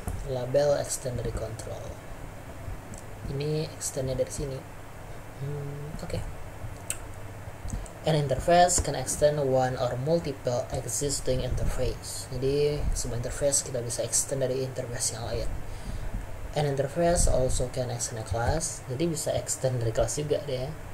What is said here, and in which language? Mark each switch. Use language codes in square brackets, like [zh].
[id] Label extend dari control. Ini extendnya dari sini. Okay. [en] An interface can extend one or multiple existing interface. [id] Jadi sebuah interface kita bisa extend dari interface yang lain. [en] An interface also can extend a class. [id] Jadi bisa extend dari kelas juga deh.